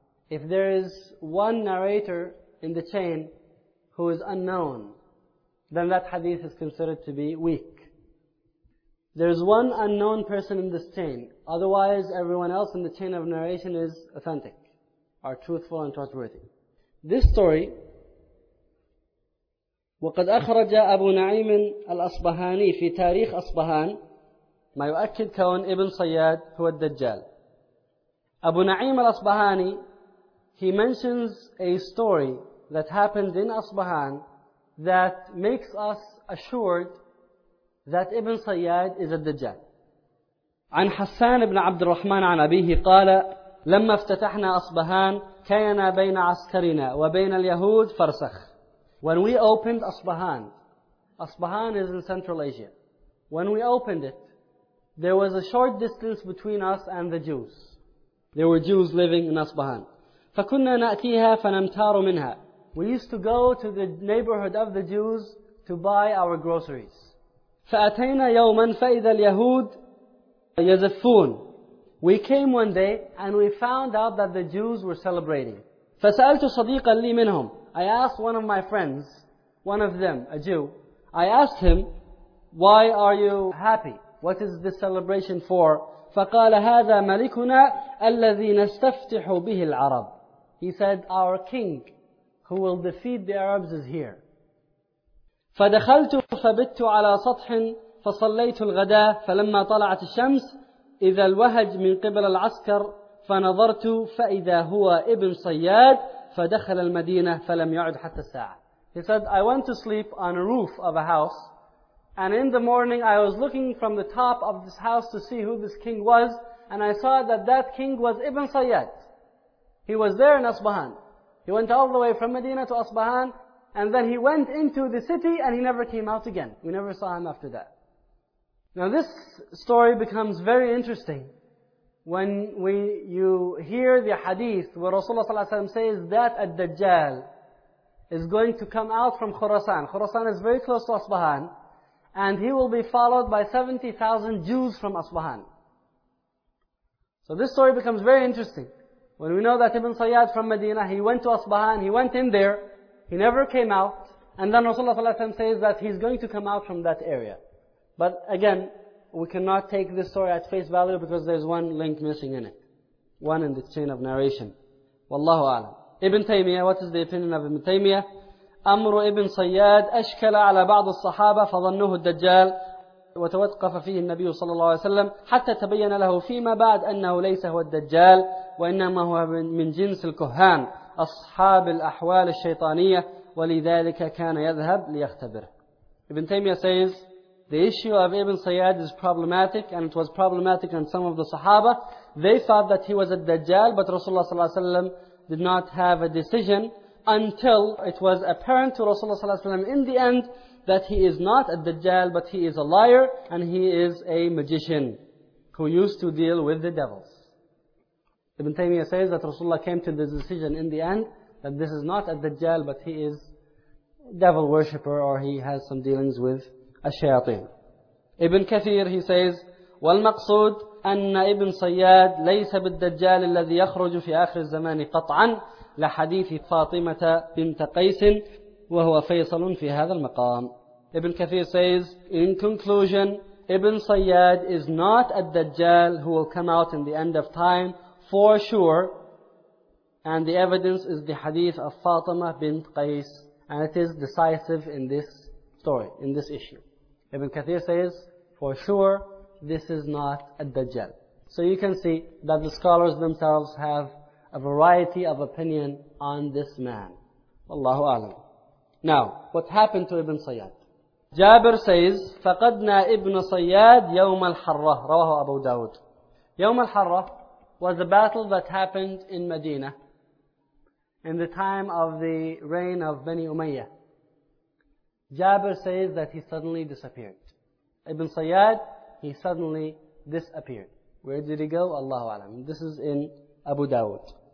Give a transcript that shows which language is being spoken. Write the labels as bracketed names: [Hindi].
[English] If there is one narrator in the chain who is unknown, then that hadith is considered to be weak. There's one unknown person in this chain. Otherwise, everyone else in the chain of narration is authentic, are truthful and trustworthy. This story, [Arabic] وَقَدْ أَخْرَجَ أَبُو نَعِيمٍ الْأَصْبَحَانِي فِي تَارِيخِ أَصْبَحَانِ مَا يُؤَكِّدْ كَوْنْ Ibn Sayyad هُوَ الدَّجَّالِ. [English] Abu Na'im al-Asbahani, he mentions a story that happened in Asbahan that makes us assured that Ibn Sayyad is a Dajjal. [Arabic] عن حسان بن عبد الرحمن عن أبيه قال لما افتتحنا أصبهان كينا بين عسكرنا وبين اليهود فرسخ. [English] When we opened Asbahan, Asbahan is in Central Asia. When we opened it, there was a short distance between us and the Jews. There were Jews living in Asbahan. [Arabic] فكنا نأتيها فنمتار منها. [English] We used to go to the neighborhood of the Jews to buy our groceries. [Arabic] فَأَتَيْنَا يَوْمًا فَإِذَا الْيَهُودِ يَزَفُّونَ. [English] We came one day and we found out that the Jews were celebrating. [Arabic] فَسَأَلْتُ صَدِيقًا لِي مِنْهُمْ. [English] I asked one of my friends, one of them, a Jew. I asked him, why are you happy? What is this celebration for? [Arabic] فقال هذا ملكنا الذي نستفتح به العرب. [English] He said, our king who will defeat the Arabs is here. [Arabic] فدخلت فبت على سطح فصليت الغداء فلما طلعت الشمس إذا الوهج من قبل العسكر فنظرت فإذا هو ابن صياد فدخل المدينة فلم يعد حتى الساعة. [English] He said, I went to sleep on a roof of a house, and in the morning I was looking from the top of this house to see who this king was, and I saw that that king was Ibn Sayyad. He was there in Asbahan. He went all the way from Medina to Asbahan, and then he went into the city and he never came out again. We never saw him after that. Now this story becomes very interesting when you hear the hadith where Rasulullah ﷺ says that Ad-Dajjal is going to come out from Khurasan. Khurasan is very close to Asbahan, and he will be followed by 70,000 Jews from Asbahan. So this story becomes very interesting. When we know that Ibn Sayyad from Medina, he went to Asbahan, he went in there, he never came out, and then Rasulullah ﷺ says that he's going to come out from that area. But again, we cannot take this story at face value because there's one link missing in it. One in the chain of narration. Wallahu a'lam. Ibn Taymiyyah, what is the opinion of Ibn Taymiyyah? [Arabic] أمر ابن صياد أشكل على بعض الصحابة فظنوه الدجال وتوقف فيه النبي صلى الله عليه وسلم حتى تبين له فيما بعد أنه ليس هو الدجال وإنما هو من جنس الكهان أصحاب الأحوال الشيطانية ولذلك كان يذهب ليختبر. [English] Ibn Taymiyyah says, the issue of Ibn Sayyad is problematic, and it was problematic on some of the Sahaba. They thought that he was a Dajjal, but Rasulullah صلى الله عليه وسلم did not have a decision until it was apparent to Rasulullah صلى الله عليه وسلم in the end that he is not a Dajjal, but he is a liar, and he is a magician who used to deal with the devils. Ibn Taymiyyah says that Rasulullah came to the decision in the end that this is not a Dajjal, but he is a devil worshipper, or he has some dealings with الشياطين. Ibn Kathir, he says, [Arabic] والمقصود أن ابن صياد ليس بالدجال الذي يخرج في آخر الزمان قطعا لحديث فاطمة بنت قيس وهو فيصل في هذا المقام. [English] Ibn Kathir says, in conclusion, Ibn Sayyad is not a Dajjal who will come out in the end of time for sure, and the evidence is the hadith of Fatima bint Qais, and it is decisive in this story, in this issue. Ibn Kathir says, for sure, this is not a Dajjal. So you can see that the scholars themselves have a variety of opinion on this man. Wallahu a'lam. Now, what happened to Ibn Sayyad? Jabir says, [Arabic] فَقَدْنَا إِبْنَ صَيَّاد يَوْمَ الْحَرَّةِ رَوَهُ أَبُو دَاوُد. [English] يوم الحرة was a battle that happened in Medina in the time of the reign of Bani Umayyah. Jabir says that he suddenly disappeared. Ibn Sayyad, he suddenly disappeared. Where did he go? Allahu a'lam. This is in Abu Dawud.